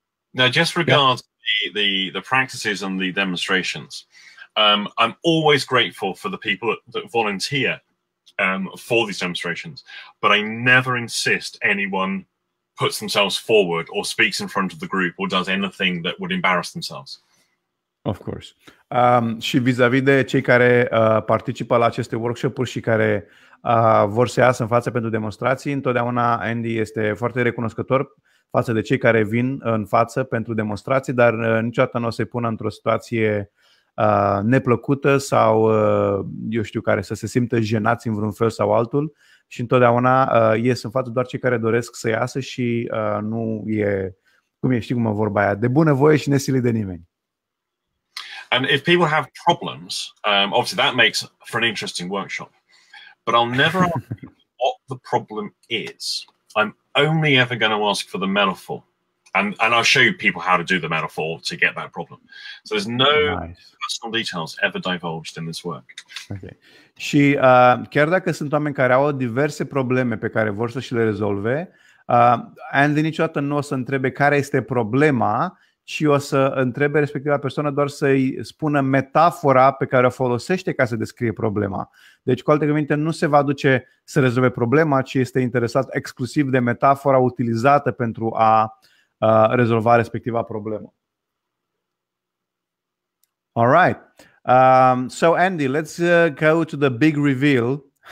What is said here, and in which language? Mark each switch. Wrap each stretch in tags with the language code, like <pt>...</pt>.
<en>Now, just regards the practices and the demonstrations, I'm always grateful for the people that volunteer for these demonstrations, but I never insist anyone puts themselves forward or speaks in front of the group or does anything that would embarrass themselves. Of course.</en> <ro>Și vis-a-vis de cei care participă la aceste workshop-uri și care vor să iasă în față pentru demonstrații, întotdeauna Andy este foarte recunoscător față de cei care vin în față pentru demonstrații, dar niciodată nu o să-i pună într-o situație neplăcută sau, eu știu, care să se simtă jenați în vreun fel sau altul. Și întotdeauna ies în față doar cei care doresc să iasă și nu e, cum e, știi cum e vorba aia, de bună voie și nesilit de nimeni.</ro> <en>And if people have problems, obviously that makes for an interesting workshop. But I'll never ask what the problem is. I'm only ever going to ask for the metaphor. And I'll show you people how to do the metaphor to get that problem. So there's no personal details ever divulged in this work. Okay.</en> <ro>Și chiar dacă sunt oameni care au diverse probleme pe care vor să și le rezolve, Andy niciodată nu o să întrebe care este problema, ci o să întrebe respectiva persoană doar să-i spună metafora pe care o folosește ca să descrie problema. Deci, cu alte cuvinte, nu se va duce să rezolve problema, ci este interesat exclusiv de metafora utilizată pentru a rezolva respectiva problemă.</ro> <en>All right. So, Andy, let's go to the big reveal.</en>